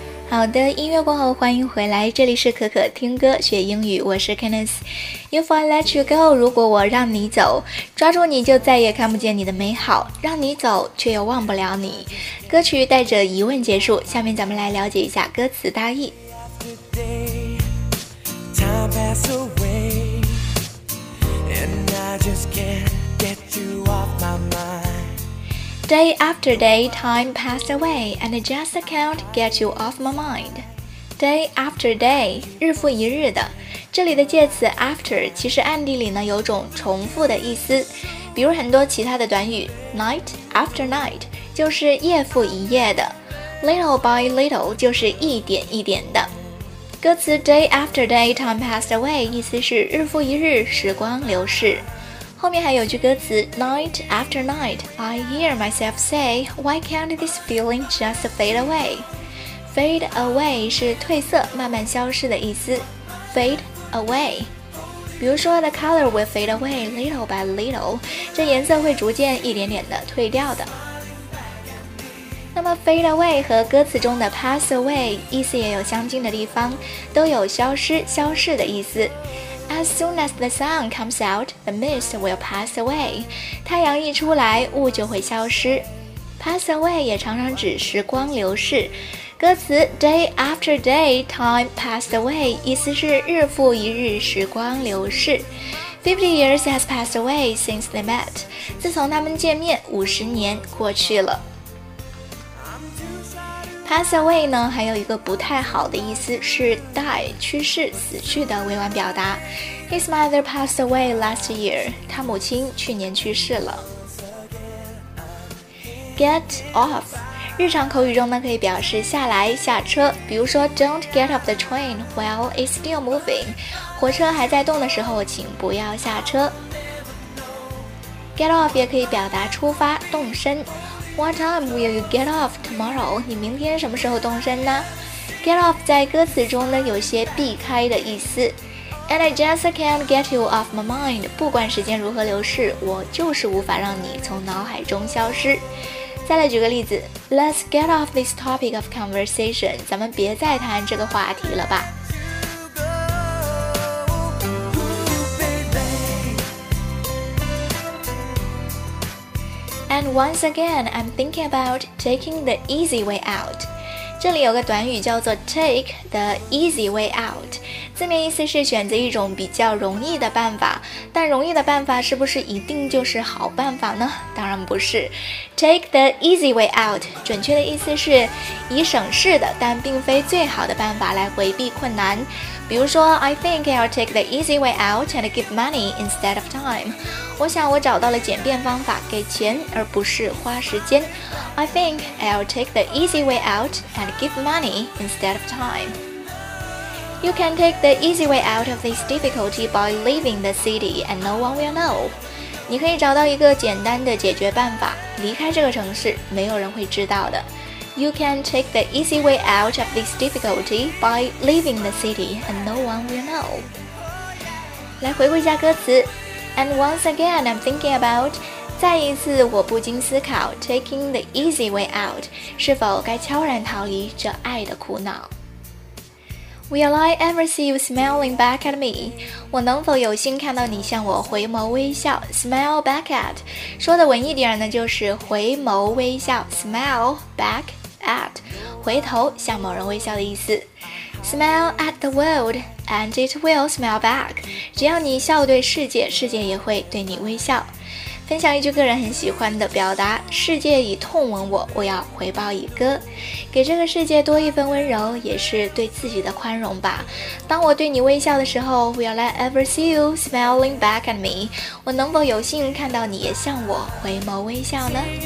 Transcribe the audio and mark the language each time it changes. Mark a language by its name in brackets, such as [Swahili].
[Chinese] 好的，音乐过后欢迎回来，这里是可可听歌学英语，我是 Kenneth。 [English] If I let you go， [Chinese] 如果我让你走，抓住你就再也看不见你的美好，让你走却又忘不了你。歌曲带着疑问结束，下面咱们来了解一下歌词大意。 [English] Day after day, time pass away, And I just can't get you off my mind. Day after day, time passed away, and I just can't get you off my mind. Day after day, [Chinese] 日复一日的。这里的介词 after 其实暗地里呢有种重复的意思，比如很多其他的短语 night after night 就是夜复一夜的， little by little 就是一点一点的。歌词 day after day time passed away 意思是日复一日时光流逝。后面还有句歌词 [English] night after night I hear myself say why can't this feeling just fade away? [Chinese] Fade away 是褪色慢慢消失的意思， fadeaway， 比如说 [English] the color will fade away little by little， [Chinese] 这颜色会逐渐一点点的褪掉的。那么 fade away 和歌词中的 pass away 意思也有相近的地方，都有消失消逝的意思。 [English] As soon as the sun comes out the mist will pass away， [Chinese] 太阳一出来雾就会消失。 pass away 也常常指时光流逝，歌词 [English] day after day time passed away [Chinese] 意思是日复一日时光流逝。 [English] 50 years has passed away since they met， [Chinese] 自从他们见面五十年过去了。 pass away 呢还有一个不太好的意思是 die 去世死去的委婉表达， [English] his mother passed away last year， [Chinese] 他母亲去年去世了。 get off日常口语中呢可以表示下来下车，比如说 [English] Don't get off the train while it's still moving， [Chinese] 火车还在动的时候请不要下车。 [English] Get off [Chinese] 也可以表达出发动身， [English] What time will you get off tomorrow？ [Chinese] 你明天什么时候动身呢？Get off 在歌词中呢有些避开的意思。 [English] And I just can't get you off my mind， [Chinese] 不管时间如何流逝我就是无法让你从脑海中消失。再来举个例子， [English] Let's get off this topic of conversation， [Chinese] 咱们别再谈这个话题了吧。 [English] And once again I'm thinking about taking the easy way out， [Chinese] 这里有个短语叫做 take the easy way out， 字面意思是选择一种比较容易的办法，但容易的办法是不是一定就是好办法呢？当然不是。 Take the easy way out， 准确的意思是以省事的但并非最好的办法来回避困难。比如说 [English] I think I'll take the easy way out and give money instead of time， [Chinese] 我想我找到了简便方法给钱而不是花时间。 [English] I think I'll take the easy way out and give money instead of time。 You can take the easy way out of this difficulty by leaving the city and no one will know。 [Chinese] 你可以找到一个简单的解决办法，离开这个城市没有人会知道的。 [English] You can take the easy way out of this difficulty by leaving the city and no one will know。 [Chinese] 来回顾一下歌词， [English] And once again I'm thinking about， [Chinese] 再一次我不禁思考， [English] taking the easy way out， [Chinese] 是否该悄然逃离这爱的苦恼。 [English] Will I ever see you smiling back at me? [Chinese] 我能否有幸看到你向我回眸微笑？Smile back at， 说的文艺点呢就是回眸微笑， Smile back at， 回头向某人微笑的意思。 [English] Smile at the world and it will smile back， [Chinese] 只要你笑对世界，世界也会对你微笑。分享一句个人很喜欢的表达，世界以痛吻我，我要回报以歌。给这个世界多一份温柔，也是对自己的宽容吧。当我对你微笑的时候， [English] Will I ever see you smiling back at me， [Chinese] 我能否有幸看到你也向我回眸微笑呢？